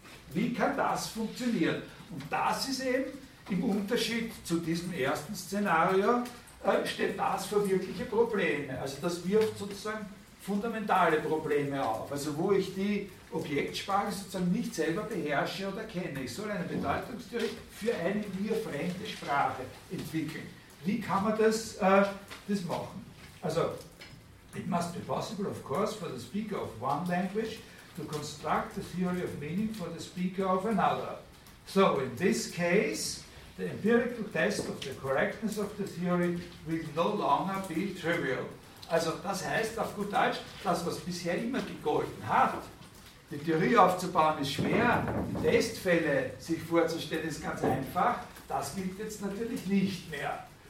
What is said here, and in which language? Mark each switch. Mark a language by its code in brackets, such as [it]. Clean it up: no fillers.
[de] Wie kann das funktionieren? Und das ist eben im Unterschied zu diesem ersten Szenario, steht das für wirkliche Probleme. Also das wirft sozusagen fundamentale Probleme auf. Also wo ich die Objektsprache sozusagen nicht selber beherrsche oder kenne. Ich soll eine Bedeutungstheorie für eine mir fremde Sprache entwickeln. Wie kann man das, das machen? [en] Also, it must be possible, of course, for the speaker of one language to construct the theory of meaning for the speaker of another. So, in this case, the empirical test of the correctness of the theory will no longer be trivial. [de] Also, das heißt auf gut Deutsch, das, was bisher immer gegolten hat, die Theorie aufzubauen, ist schwer, die Testfälle sich vorzustellen, ist ganz einfach, das gilt jetzt natürlich nicht mehr.